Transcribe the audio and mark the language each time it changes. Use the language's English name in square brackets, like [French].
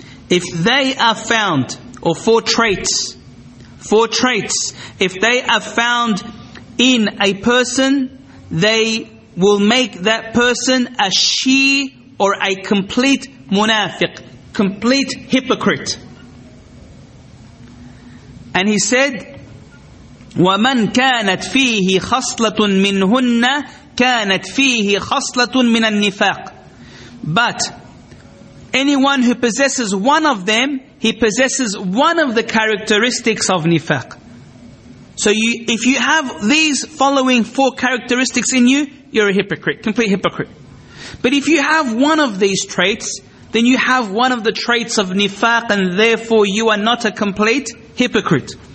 [English] If they are found, or four traits. If they are found in a person, they will make that person a she or a complete munafiq, complete hypocrite. And he said, [Arabic] وَمَنْ كَانَتْ فِيهِ خَصْلَةٌ مِّنْهُنَّ كَانَتْ فِيهِ خَصْلَةٌ مِّنَ النِّفَاقِ. [English] But anyone who possesses one of them, he possesses one of the characteristics of nifaq. So you, if you have these following four characteristics in you, you're a hypocrite, complete hypocrite. But if you have one of these traits, then you have one of the traits of nifaq, and therefore you are not a complete hypocrite.